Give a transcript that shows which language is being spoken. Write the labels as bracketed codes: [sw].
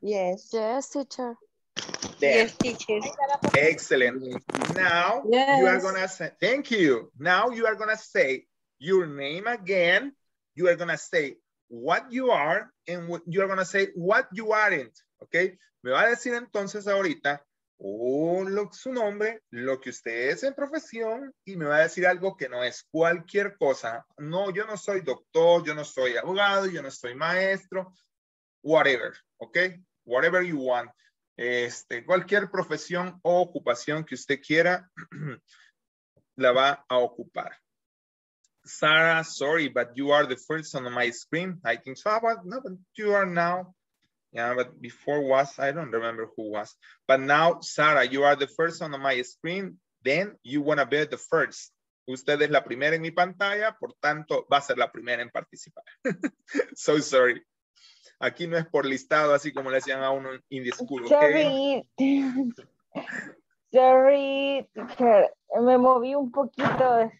[en] Yes. Yes, teacher. Then. Yes, teacher. Excellent. Now yes. You are gonna say, thank you. Now you are gonna say your name again. You are gonna say what you are and what you are gonna say what you aren't. Okay. [es] Me va a decir entonces ahorita su nombre, lo que usted es en profesión, y me va a decir algo que no es cualquier cosa. No, yo no soy doctor, yo no soy abogado, yo no soy maestro. [en] Whatever, okay? Whatever you want. [es] Cualquier profesión o ocupación que usted quiera, la va a ocupar. [en] Sarah, sorry, but you are the first on my screen. I think so, but no, but you are now. Yeah, but before was, I don't remember who was. But now, Sarah, you are the first on my screen. Then you want to be the first. [es] Usted es la primera en mi pantalla, por tanto, va a ser la primera en participar. [en] So sorry. [es] Aquí no es por listado, así como le decían a uno [en] in the school. Okay? Sorry. Sorry. [es] Me moví un poquito.